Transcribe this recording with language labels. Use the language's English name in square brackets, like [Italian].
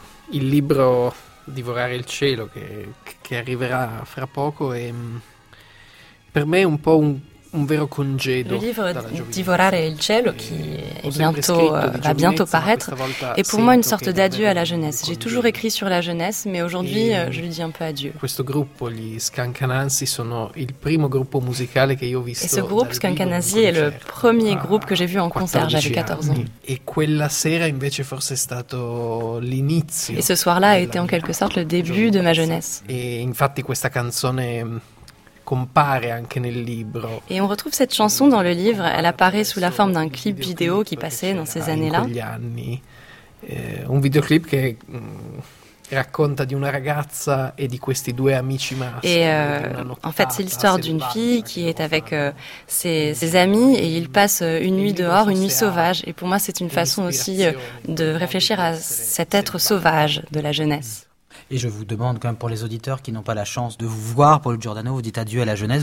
[Italian] Il libro Divorare il cielo che arriverà fra poco e per me è un po' un vero congedo. [French] Il libro Divorare il cielo qui est bientôt va bientôt paraître est pour moi une sorte d'adieu à la jeunesse. J'ai toujours écrit sur la jeunesse mais aujourd'hui je lui dis un peu adieu. [Italian] Questo gruppo gli Skunk Anansie sono il primo gruppo musicale che io ho visto. [French] Et ce groupe Skunk Anansie est le premier groupe que j'ai vu en concert, j'avais 14 ans. [Italian] E quella sera invece forse stato l'inizio. [French] Et ce soir-là a été en quelque sorte le début de ma jeunesse. [Italian] Et infatti questa canzone compare anche nel libro. [French] Et on retrouve cette chanson dans le livre, elle apparaît sous la forme d'un clip vidéo qui passait dans ces années-là. [Italian] Un videoclip che racconta di una ragazza e di questi due amici maschi. [French] Et en fait, c'est l'histoire d'une fille qui est avec ses amis et ils passent une nuit dehors, une nuit sauvage. Et pour moi, c'est une façon aussi de réfléchir à cet être sauvage de la jeunesse. Et je vous demande quand même pour les auditeurs qui n'ont pas la chance de vous voir, Paolo Giordano, vous dites adieu à la jeunesse.